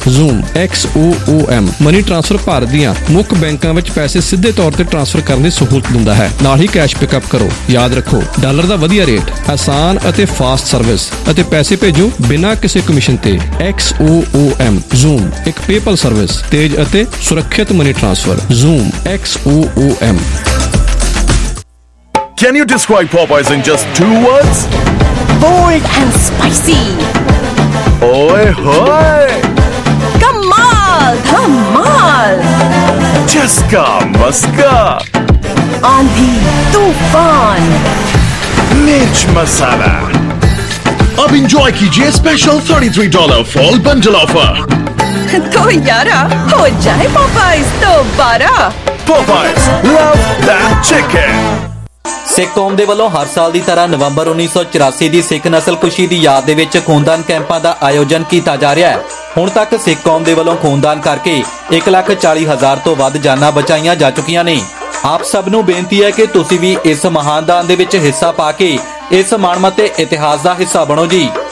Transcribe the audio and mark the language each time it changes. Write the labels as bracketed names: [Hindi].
[Punjabi] Zoom XOOM money transfer Bharat ਦੀਆਂ ਮੁੱਖ ਬੈਂਕਾਂ ਵਿੱਚ ਪੈਸੇ ਸਿੱਧੇ ਤੌਰ ਤੇ ਟ੍ਰਾਂਸਫਰ ਕਰਨ ਦੀ ਸਹੂਲਤ ਦਿੰਦਾ ਹੈ, ਨਾਲ ਹੀ ਕੈਸ਼ ਪਿਕਅਪ ਕਰੋ। ਯਾਦ ਰੱਖੋ, ਡਾਲਰ ਦਾ ਵਧੀਆ ਰੇਟ, ਆਸਾਨ ਅਤੇ ਫਾਸਟ ਸਰਵਿਸ, ਅਤੇ ਪੈਸੇ ਭੇਜੋ ਬਿਨਾਂ ਕਿਸੇ ਕਮਿਸ਼ਨ ਤੇ। XOOM ਜ਼ੂਮ ਇੱਕ ਪੇਪਲ ਸਰਵਿਸ, ਤੇਜ ਅਤੇ ਸੁਰੱਖਿਅਤ money transfer. Zoom XOOM। [English] Can you describe Popeyes in just two words? Bold and spicy. Oy hoy! [Hindi] Kamal! Kamal! Chaska maska! Aandhi Toofan! Mirch masala! अब इंजॉय कीजिए special $33 fall bundle offer. तो यारा हो जाए पॉपाइज दोबारा। [English] Popeyes love that chicken. [Punjabi] ਸਿੱਖ ਕੌਮ ਦੇ ਵੱਲੋਂ ਹਰ ਸਾਲ ਦੀ ਤਰ੍ਹਾਂ ਨਵੰਬਰ 1984 ਦੀ ਸਿੱਖ ਨਸਲ ਕੁਸ਼ੀ ਦੀ ਯਾਦ ਦੇ ਵਿੱਚ ਖੂਨਦਾਨ ਕੈਂਪਾਂ ਦਾ ਆਯੋਜਨ ਕੀਤਾ ਜਾ ਰਿਹਾ ਹੈ। ਹੁਣ ਤੱਕ ਸਿੱਖ ਕੌਮ ਦੇ ਵੱਲੋਂ ਖੂਨਦਾਨ ਕਰਕੇ 1,40,000 ਤੋਂ ਵੱਧ ਜਾਨਾਂ ਬਚਾਈਆਂ ਜਾ ਚੁੱਕੀਆਂ ਨੇ। ਆਪ ਸਭ ਨੂੰ ਬੇਨਤੀ ਹੈ ਕਿ ਤੁਸੀਂ ਵੀ ਇਸ ਮਹਾਨ ਦਾਨ ਦੇ ਵਿੱਚ ਹਿੱਸਾ ਪਾ ਕੇ ਇਸ ਮਾਣਮੱਤੇ ਇਤਿਹਾਸ ਦਾ ਹਿੱਸਾ ਬਣੋ ਜੀ।